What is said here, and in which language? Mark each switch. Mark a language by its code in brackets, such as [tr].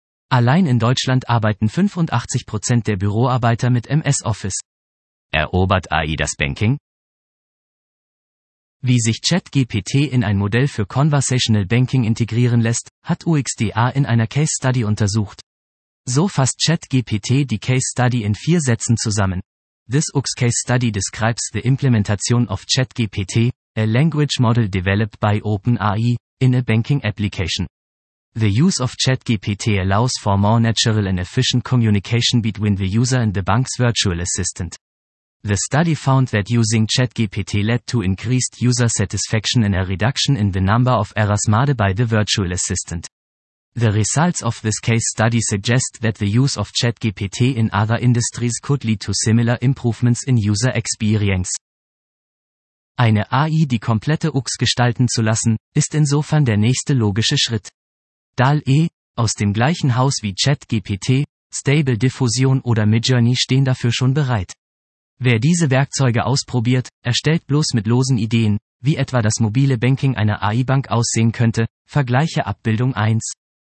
[de] Allein in Deutschland arbeiten 85% der Büroarbeiter mit MS Office. Erobert AI das Banking? Wie sich ChatGPT in ein Modell für Conversational Banking integrieren lässt, hat UXDA in einer Case Study untersucht. So fasst ChatGPT die Case Study in 4 Sätzen zusammen. [en] This UX Case Study describes the implementation of ChatGPT, a language model developed by OpenAI, in a banking application. The use of ChatGPT allows for more natural and efficient communication between the user and the bank's virtual assistant. The study found that using ChatGPT led to increased user satisfaction and a reduction in the number of errors made by the virtual assistant. The results of this case study suggest that the use of ChatGPT in other industries could lead to similar improvements in user experience. [de] Eine AI, die komplette UX gestalten zu lassen, ist insofern der nächste logische Schritt. DALL-E, aus dem gleichen Haus wie ChatGPT, Stable Diffusion oder Midjourney stehen dafür schon bereit. Wer diese Werkzeuge ausprobiert, erstellt bloß mit losen Ideen, wie etwa das mobile Banking einer AI-Bank aussehen könnte, vergleiche Abbildung 1.